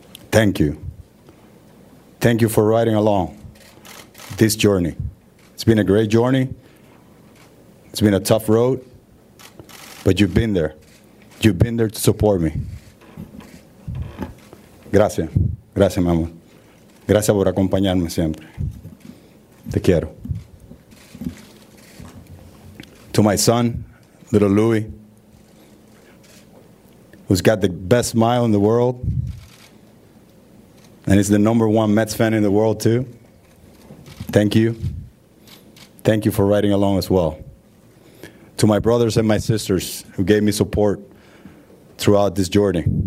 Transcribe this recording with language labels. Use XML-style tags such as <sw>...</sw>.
<en>Thank you. Thank you for riding along this journey. It's been a great journey. It's been a tough road, but you've been there. You've been there to support me.</en> <es>Gracias. Gracias, mamá. Gracias por acompañarme siempre. Te quiero.</es> <en>To my son, little Louis, who's got the best smile in the world, and is the number one Mets fan in the world, too. Thank you. Thank you for riding along as well. To my brothers and my sisters who gave me support throughout this journey.</en>